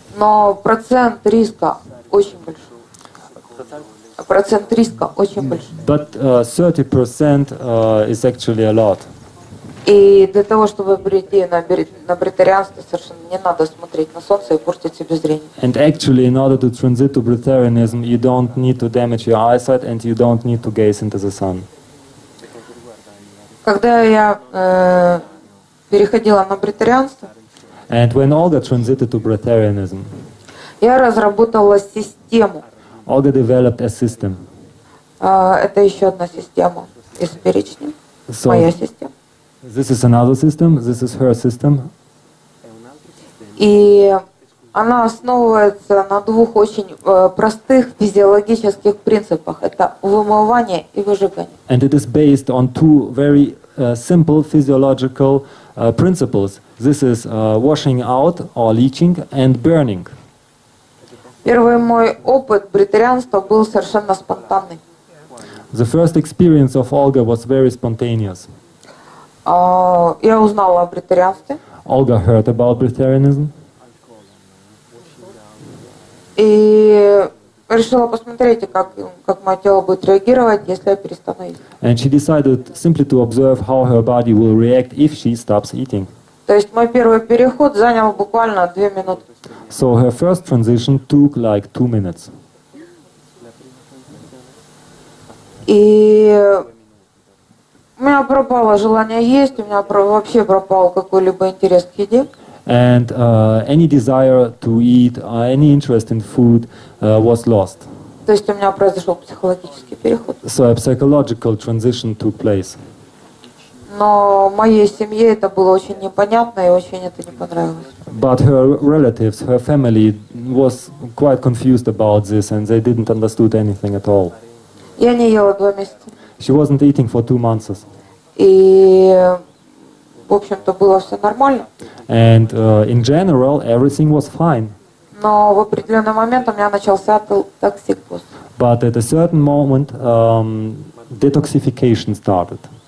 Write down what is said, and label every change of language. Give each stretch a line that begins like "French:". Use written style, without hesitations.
Russian: Но процент риска очень большой. Процент риска очень большой.
English: But 30% is actually a lot.
Russian: И для того, чтобы прийти на бретарианство, совершенно не надо смотреть на солнце и портить себе зрение.
English: And actually, in order to transit to bretarianism, you don't need to damage your eyesight and you don't need to gaze into the sun.
Russian: Когда я переходила на бретарианство,
English: and when Olga transited to bretarianism,
Russian: я разработала систему.
English: Olga developed a system.
Russian: Это еще одна система из перечня. So, моя система.
English: This is another system. This is her system.
Russian: И она основывается на двух очень простых физиологических принципах. Это вымывание и выжигание.
English: And it is based on two very simple physiological principles. This is washing out or leaching and burning.
Russian: Первый мой опыт бретарианства был совершенно спонтанный.
English: The first experience of Olga was very spontaneous.
Russian: Я узнала о бретарианстве.
English: Olga heard about bretarianism.
Russian: И решила посмотреть, как мое тело будет реагировать, если я перестану есть.
English: And she decided simply to observe how her body will react if she stops eating.
Russian: То есть мой первый переход занял буквально 2 минуты.
English: So her first transition took like 2 minutes.
Russian: И у меня пропало желание есть, у меня вообще пропал какой-либо интерес к еде.
English: And any desire to eat, any interest in food was lost.
Russian: То есть у меня произошел психологический переход.
English: So a psychological transition took place.
Russian: Но моей семье это было очень непонятно и очень это не понравилось.
English: But her relatives, her family was quite confused about this and they didn't understand anything at all.
Russian: Я не ела 2 месяца.
English: She wasn't eating for 2 months.
Russian: И, в общем-то, было все нормально.
English: And in general, everything was fine.
Russian: Но в определенный момент у меня начался токсикоз.
English: But at a certain moment, detoxification started.